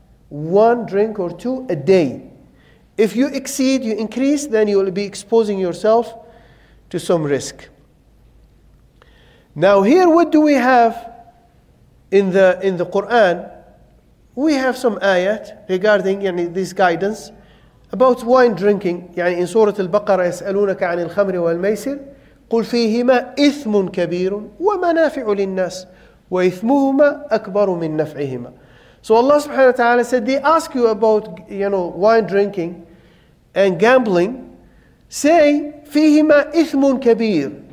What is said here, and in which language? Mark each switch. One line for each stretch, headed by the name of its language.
English: One drink or two a day. If you exceed, you increase, then you will be exposing yourself to some risk. Now here, what do we have in the Quran? We have some ayat regarding this guidance about wine drinking. In Surah Al-Baqarah,
Arabic: يَسْأَلُونَكَ عَنِ الْخَمْرِ وَالْمَيْسِرِ قُلْ فِيهِمَا إِثْمٌ كَبِيرٌ وَمَنَافِعُ لِلنَّاسِ وَإِثْمُهُمَا أَكْبَرُ مِنْ نَفْعِهِمَا.
English: So Allah subhanahu wa ta'ala said, they ask you about wine drinking and gambling. Say,
Arabic: فِيهِمَا إِثْمٌ كَبِيرٌ.